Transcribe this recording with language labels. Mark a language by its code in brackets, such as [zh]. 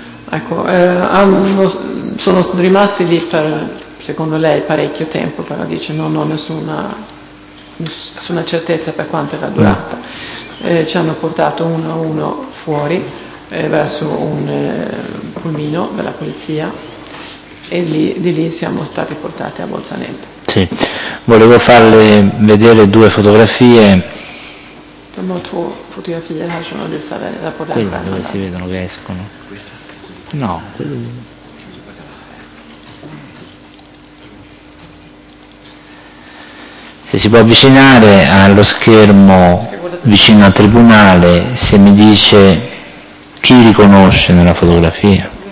[it] ecco, sono rimasti lì per, secondo lei, parecchio tempo, però dice non ho nessuna certezza per quanto era durata. Ci hanno portato uno a uno fuori verso un pulmino della polizia e di lì siamo stati portati a Bolzaneto. Sì, volevo farle vedere due fotografie. [sv] De har två fotografier här som de visar där på den. [it] Quella dove si vedono che escono. No. Se si può avvicinare allo schermo vicino al tribunale, se mi dice chi riconosce nella fotografia.